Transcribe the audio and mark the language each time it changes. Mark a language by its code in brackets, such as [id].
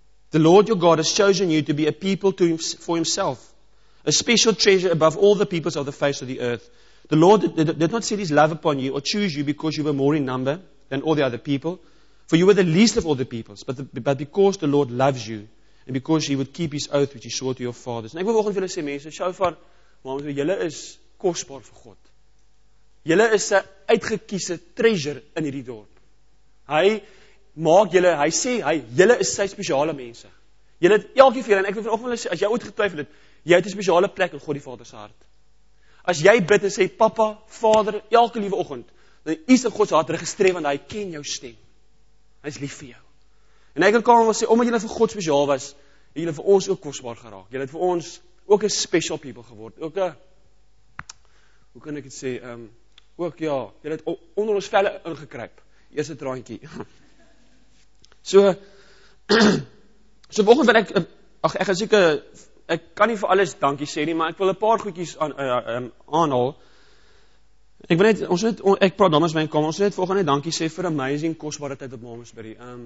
[en] The Lord your God has chosen you to be a people to him, for himself, a special treasure above all the peoples of the face of the earth. The Lord did not set his love upon you or choose you because you were more in number than all the other people, for you were the least of all the peoples, but because the Lord loves you and because he would keep his oath which he swore to your fathers." [af] En ek wil vanoggend vir julle sê, mense, shofar, want julle is kosbaar vir God. Julle is 'n uitgekiese treasure in hierdie dorp. Hy maak julle, hy sê, julle is sy spesiale mense. Julle het elkeen vir julle, en ek wil vanoggend sê, as jy ooit getwyfel het, jy het 'n spesiale plek in God die Vader se hart. As jy bid en sê, Papa, Vader, elke liewe oggend, dan is in God se hart registreer, want hy ken jou stem. Hy is lief vir jou. En ek kan wel sê, omdat julle vir God spesiaal was, het julle vir ons ook kosbaar geraak. Julle het vir ons ook 'n [en] special people [af] geword. Ook 'n, hoe kan ek dit sê, ook ja, julle het onder ons velle ingekruip. Eerste traantjie. So vanoggend wil ek kan nie vir alles dankie sê nie, maar ek wil 'n paar goedjies aanhaal. Ek wil net, ek praat namens my kamer, ons wil net volgende dankie sê vir amazing kosbare tyd op Malmesbury.